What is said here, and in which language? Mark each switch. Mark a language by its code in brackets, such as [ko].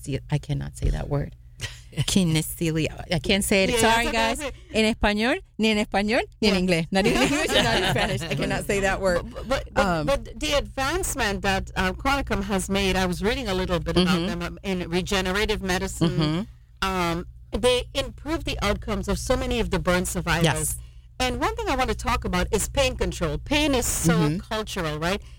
[en] I cannot say that word. Kinesthesia. I can't say it. Yeah, sorry, guys. [es] In español, ni en español, ni en inglés. [en] Not even in English, not in Spanish. I cannot say that word. But the advancement that Qualcomm has made, I was reading a little bit about them in regenerative medicine. They improve the outcomes of so many of the burn survivors. Yes. And one thing I want to talk about is pain control. Pain is so cultural, right?